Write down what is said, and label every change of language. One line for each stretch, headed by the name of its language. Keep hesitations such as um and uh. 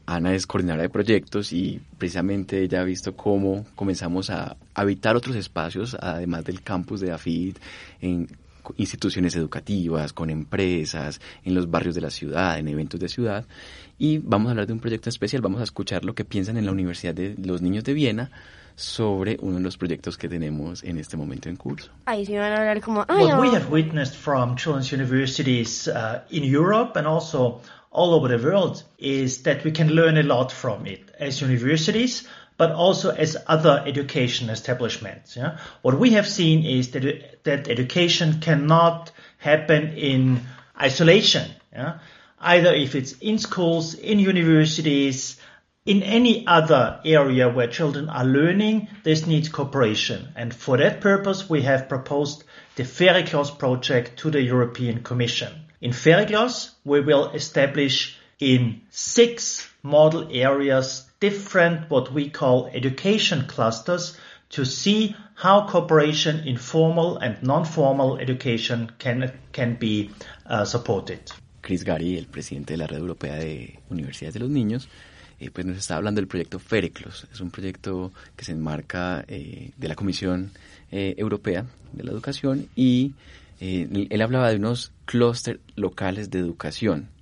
Spanish: Ana es coordinadora de proyectos y precisamente ella ha visto cómo comenzamos a habitar otros espacios, además del campus de AFID, en instituciones educativas, con empresas, en los barrios de la ciudad, en eventos de ciudad. Y vamos a hablar de un proyecto especial, vamos a escuchar lo que piensan en la Universidad de los Niños de Viena sobre uno de los proyectos que tenemos en este momento en curso. Ahí sí van a hablar como... No.
English: What we have witnessed from children's universities uh, in Europe and also all over the world is that we can learn a lot from it as universities. but also as other education establishments. Yeah? What we have seen is that, that education cannot happen in isolation, yeah? either if it's in schools, in universities, in any other area where children are learning, this needs cooperation. And for that purpose, we have proposed the Fairy project to the European Commission. In Fairy we will establish in six model areas, different what we call education clusters to see how cooperation in formal and non-formal education can, can be uh, supported.
Spanish: Chris Gary, el presidente de la Red Europea de Universidades de los Niños, eh, pues nos está hablando del proyecto Fereclos. Es un proyecto que se enmarca eh, de la Comisión eh, Europea de la Educación y él hablaba de unos clústeres locales de educación.